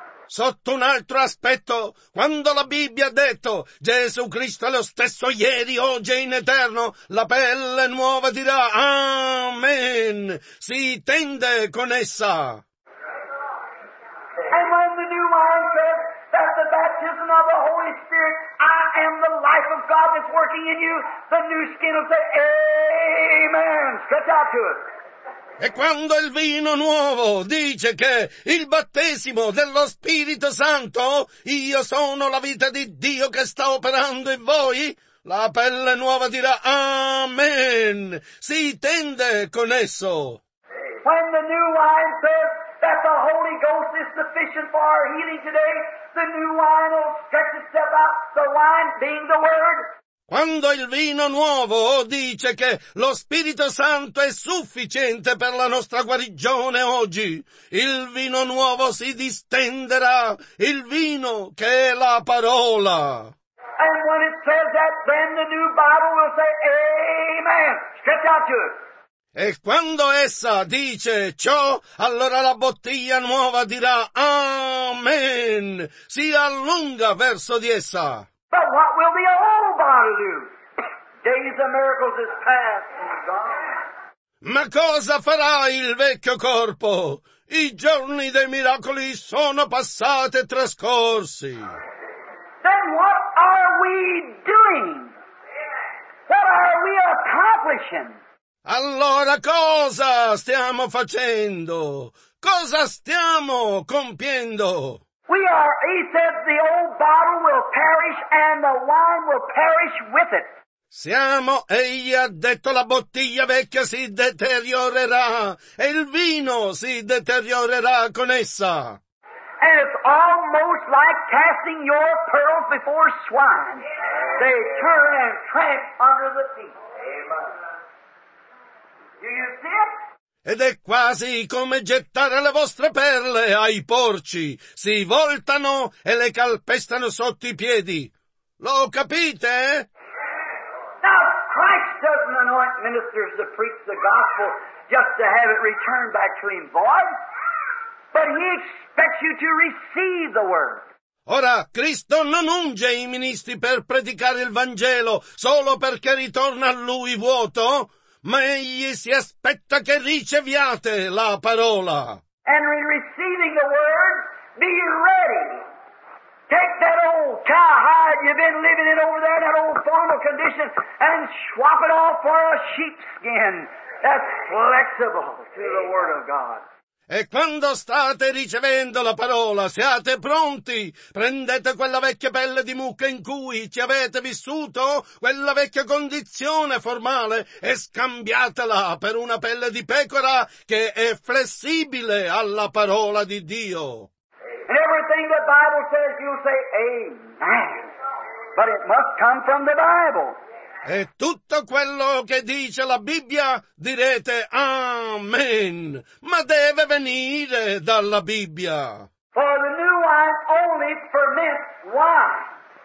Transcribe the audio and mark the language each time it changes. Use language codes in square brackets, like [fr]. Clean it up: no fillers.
[it] Sotto un altro aspetto, quando la Bibbia ha detto Gesù Cristo è lo stesso ieri, oggi e in eterno, la pelle nuova dirà Amen, si tende con essa. [en] And when the new wine says that the baptism of the Holy Spirit, I am the life of God that's working in you, the new skin will say Amen, stretch out to it. [it] E quando il vino nuovo dice che il battesimo dello Spirito Santo, io sono la vita di Dio che sta operando in voi, la pelle nuova dirà Amen, si tende con esso. [en] When the new wine says that the Holy Ghost is sufficient for our healing today, the new wine will stretch itself out, the wine being the word. [it] Quando il vino nuovo dice che lo Spirito Santo è sufficiente per la nostra guarigione oggi, il vino nuovo si distenderà, il vino che è la parola. [en] And when it says that, then the new Bible will say, Amen, stretch out to it. [it] E quando essa dice ciò, allora la bottiglia nuova dirà, Amen, si allunga verso di essa. [en] But what will the old bottle do? Days of miracles is past and gone. [it] Ma cosa farà il vecchio corpo? I giorni dei miracoli sono passati e trascorsi. [en] Then what are we doing? What are we accomplishing? [it] Allora cosa stiamo facendo? Cosa stiamo compiendo? [en] We are, he says, the old bottle will perish and the wine will perish with it. [it] Siamo, egli ha detto, la bottiglia vecchia si deteriorerà e il vino si deteriorerà con essa. [en] And it's almost like casting your pearls before swine. They turn and tramp under the feet. Amen. Do you see it? [it] Ed è quasi come gettare le vostre perle ai porci. Si voltano e le calpestano sotto i piedi. Lo capite? [en] Now, Christ doesn't anoint ministers to preach the gospel just to have it returned back to him void. But he expects you to receive the word. [it] Ora, Cristo non unge i ministri per predicare il Vangelo solo perché ritorna a lui vuoto. Ma egli si aspetta che riceviate la parola. [en] And in receiving the word, be ready. Take that old cowhide you've been living in over there, that old formal condition, and swap it off for a sheepskin that's flexible to the word of God. [it] E quando state ricevendo la parola, siate pronti. Prendete quella vecchia pelle di mucca in cui ci avete vissuto, quella vecchia condizione formale, e scambiatela per una pelle di pecora che è flessibile alla parola di Dio. [en] And everything the Bible says, you say, Amen. But it must come from the Bible. [it] E tutto quello che dice la Bibbia direte Amen, ma deve venire dalla Bibbia. [en] For the new wine only ferments wine.